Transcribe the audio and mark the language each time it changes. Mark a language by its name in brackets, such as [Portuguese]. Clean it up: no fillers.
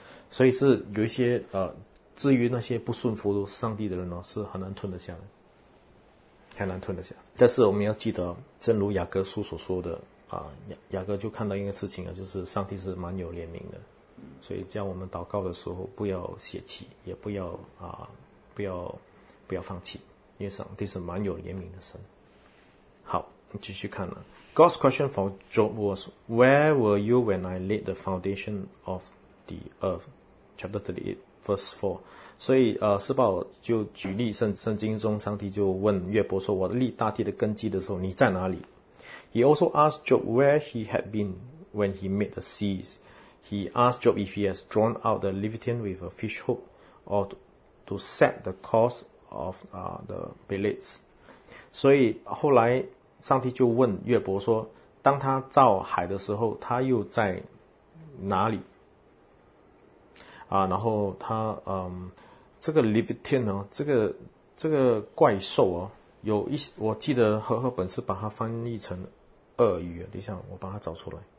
[Chinese] 所以是有一些至于那些不顺服上帝的人呢，是很难吞得下的，很难吞得下。但是我们要记得，正如雅各书所说的，雅各就看到一个事情啊，就是上帝是蛮有怜悯的，所以叫我们祷告的时候不要泄气，也不要不要放弃，因为上帝是蛮有怜悯的神。好，你继续看了。 [English] God's question for Job was, "Where were you when I laid the foundation of the earth?" Chapter 38, verse 4. [Chinese] 所以施暴就举例圣经中上帝就问约伯说，我立大地的根基的时候，你在哪里？ [English] He also asked Job where he had been when he made the seas. He asked Job if he has drawn out the Leviathan with a fish hook or to set the course of the billets. [Chinese] 所以后来上帝就问约伯说，当他造海的时候他又在哪里然后他这个 Leviathan 哦，这个怪兽哦，有一些我记得赫赫本是把它翻译成鳄鱼，等一下我把它找出来。